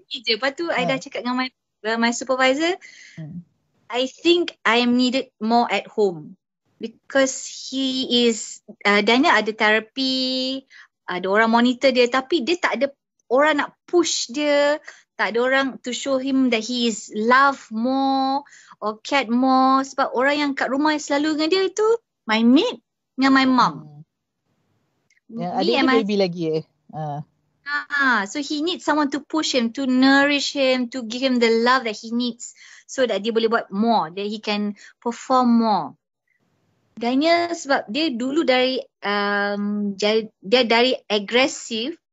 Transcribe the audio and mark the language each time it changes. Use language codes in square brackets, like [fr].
[ms] Lepas tu I dah cakap dengan [en] my supervisor, I think I am needed more at home because he is, [ms] Daniel ada therapy, ada orang monitor dia, tapi dia tak ada orang nak push dia, tak ada orang [en] to show him that he is loved more or cared more. [ms] Sebab orang yang kat rumah selalu dengan dia itu [en] my maid [ms] dengan [en] my mum. [ms] Adik ni baby lagi eh. [en] So he needs someone to push him, to nourish him, to give him the love that he needs so that [ms] dia boleh buat [en] more, that he can perform more. [ms] Daniel sebab dia dulu dari dia dari aggressive.